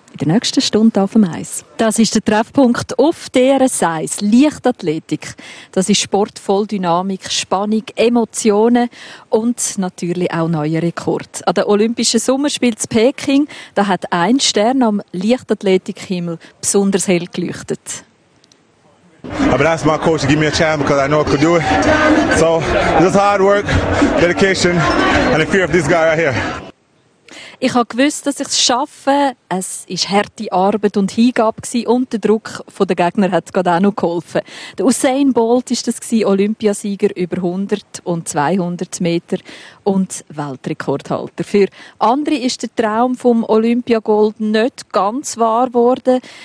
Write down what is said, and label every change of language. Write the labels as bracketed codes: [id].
[de] In der nächsten Stunde auf dem Eis. Das ist der Treffpunkt auf DRS 1. Leichtathletik. Das ist Sport voll Dynamik, Spannung, Emotionen und natürlich auch neue Rekorde. An den Olympischen Sommerspielen in Peking, da hat ein Stern am Leichtathletikhimmel besonders hell geleuchtet. [en] But that's my coach to give me a chance because I know I could do it. So, just hard work, dedication and the fear of this guy right here. [de] Ich habe gewusst, dass ich es schaffe. Es war harte Arbeit und Hingabe und der Druck der Gegner hat gerade auch noch geholfen. Der Usain Bolt war das, Olympiasieger über 100 und 200 Meter und Weltrekordhalter. Für andere ist der Traum vom Olympiagold nicht ganz wahr geworden.